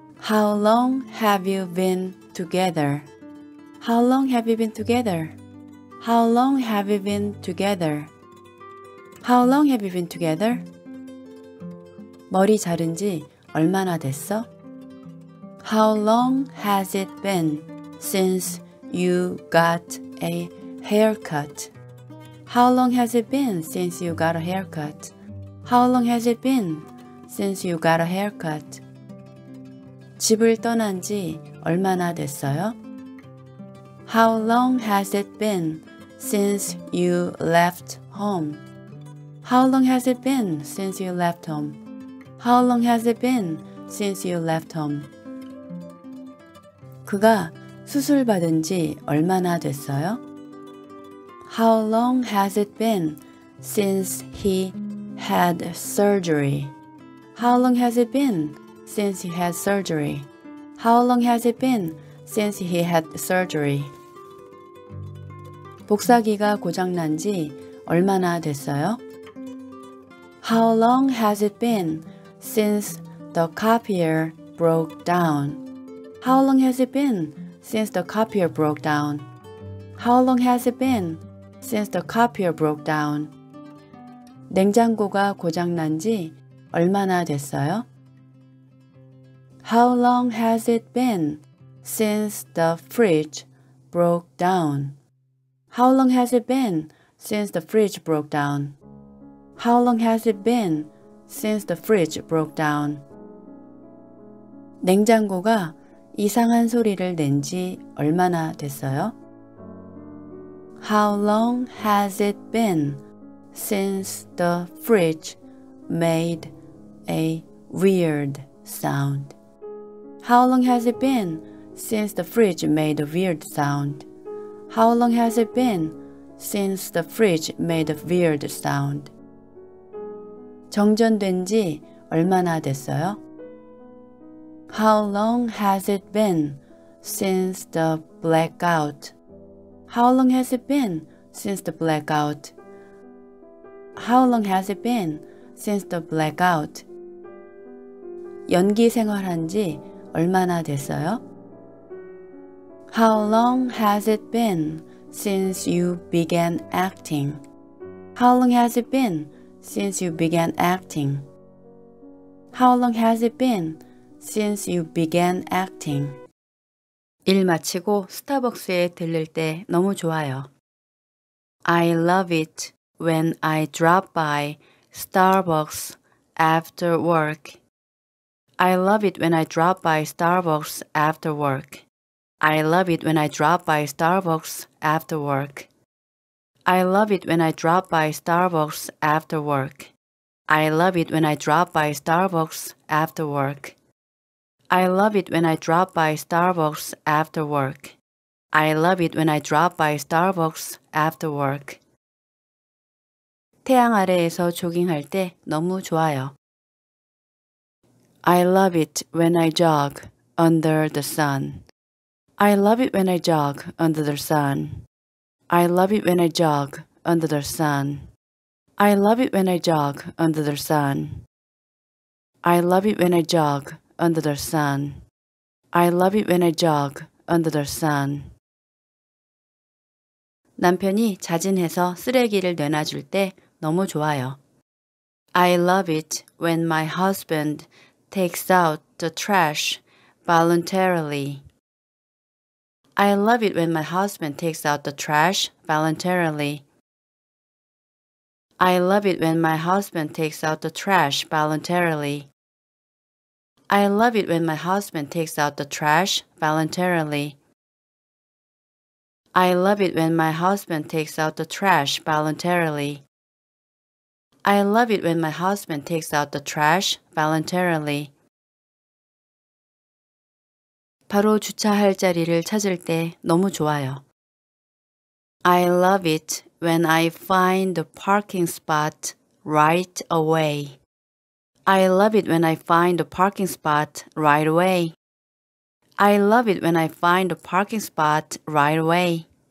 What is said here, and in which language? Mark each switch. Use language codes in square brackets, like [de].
[en] How long have you been together? How long have you been together? How long have you been together? How long have you been together? [ko] 머리 자른 지 얼마나 됐어? [en] How long has it been since you got a haircut? How long has it been since you got a haircut? How long has it been since you got a haircut? [ko] 집을 떠난 지 얼마나 됐어요? [en] How long has it been since you left home? How long has it been since you left home? How long has it been since you left home? [ko] 그가 수술 받은 지 얼마나 됐어요? [en] How long has it been since he had surgery? How long has it been since he had surgery? How long has it been since he had surgery? [ko] 복사기가 고장 난 지 얼마나 됐어요? [en] How long has it been since the copier broke down? How long has it been since the copier broke down? How long has it been since the copier broke down? [ko] 냉장고가 고장 난 지 얼마나 됐어요? [en] How long has it been since the fridge broke down? How long has it been since the fridge broke down? How long has it been since the fridge broke down? [ko] 냉장고가 이상한 소리를 낸 지 얼마나 됐어요? [en] How long has it been since the fridge made a weird sound? How long has it been since the fridge made a weird sound? How long has it been since the fridge made a weird sound? [ko] 정전된 지 얼마나 됐어요? [en] How long has it been since the blackout? How long has it been since the blackout? How long has it been since the blackout? [ko] 연기 생활한 지 얼마나 됐어요? [en] How long has it been since you began acting? How long has it been since you began acting? How long has it been since you began acting? [ko] 일 마치고 스타벅스에 들를 때 너무 좋아요. [en] I love it when I drop by Starbucks after work. I love it when I drop by Starbucks after work. I love it when I drop by Starbucks after work. I love it when I drop by Starbucks after work. I love it when I drop by Starbucks after work. I love it when I drop by Starbucks after work. I love it when I drop by Starbucks after work. [ko] 태양 아래에서 조깅할 때 너무 좋아요. [en] I love it when I jog under the sun. I love it when I jog under the sun. I love it when I jog under the sun. I love it when I jog under the sun. I love it when I jog under the sun. I love it when I jog under the sun. [ko] 남편이 자진해서 쓰레기를 내놔줄 때 너무 좋아요. [en] I love it when my husband takes out the trash voluntarily. I love it when my husband takes out the trash voluntarily. I love it when my husband takes out the trash voluntarily. I love it when my husband takes out the trash voluntarily. I love it when my husband takes out the trash voluntarily. I love it when my husband takes out the trash voluntarily. [ko] 바로 주차할 자리를 찾을 때 너무 좋아요. [en] I love it when I find the parking spot right away. I love it when I find the parking spot right away. I love it when I find the parking spot right away.